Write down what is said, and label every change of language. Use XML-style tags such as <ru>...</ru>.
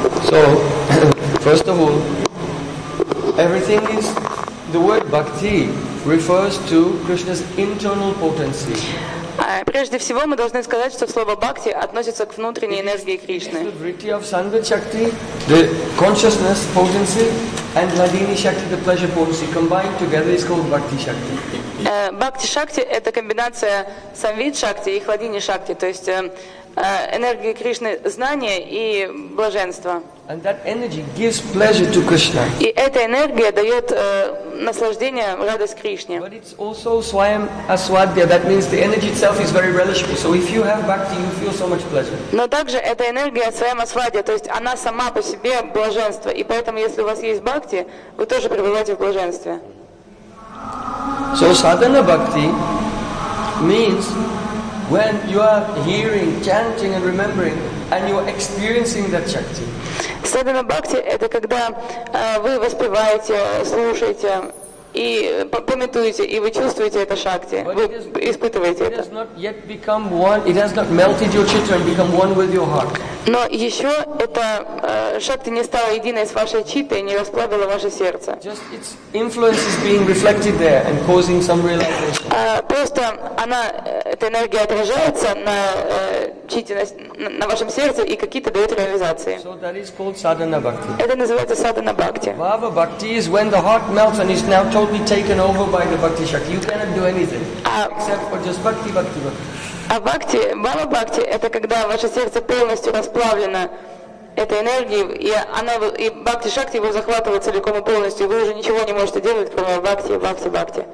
<en>So, first of all, everything is, the word bhakti refers to Krishna's internal potency.</en> <ru>Прежде всего, мы должны сказать, что слово «бхакти» относится к внутренней энергии Кришны.</ru> <en>It is the vritti of sanvachakti, the consciousness potency, and ladini shakti, the pleasure potency, combined together is called bhakti shakti.</en> <ru>Bhakti shakti – это комбинация санвид шакти и хладини шакти, то есть энергии Кришны – знания и блаженства.</ru> <en>And that energy gives pleasure to Krishna.</en> <ru>И эта энергия дает наслаждение, радость Кришне.</ru> <en>But it's also swayam aswadhyaya. That means the energy itself is very relishable. So if you have bhakti, you feel so much pleasure.</en> <ru>Но также эта энергия своим асвадья, то есть она сама по себе блаженство. И поэтому, если у вас есть бхакти, вы тоже пребываете в блаженстве.</ru> <en>So sadhana bhakti means when you are hearing, chanting, and remembering, and you are experiencing that shakti.</en> <ru>Sadhana bhakti это когда вы воспеваете, слушаете и памятуете, и вы чувствуете это шакти, вы испытываете это.</ru> <en>It has not yet become one. It has not melted your chitta and become one with your heart.</en> <ru>Но еще это шакти не стало единой с вашей читой, не расплавило ваше сердце.</ru> <en>Just its influence is being reflected there and causing some realization.</en> <ru>Просто она эта энергия отражается на чите, на вашем сердце и какие-то дает реализации.</ru> <en>So that is called sadhana bhakti.</en> <ru>Это называется sadhana bhakti.</ru> <en>Bhava bhakti is when the heart melts and is now totally taken over by the bhakti shakti. You cannot do anything except for just bhakti, bhakti, bhakti.</en> <ru>А бхакти, бхава бхакти, это когда ваше сердце полностью расплавлено этой энергией, и она и бхакти шакти его захватывает целиком и полностью, и вы уже ничего не можете делать, кроме бхакти, бхакти, бхакти.</ru>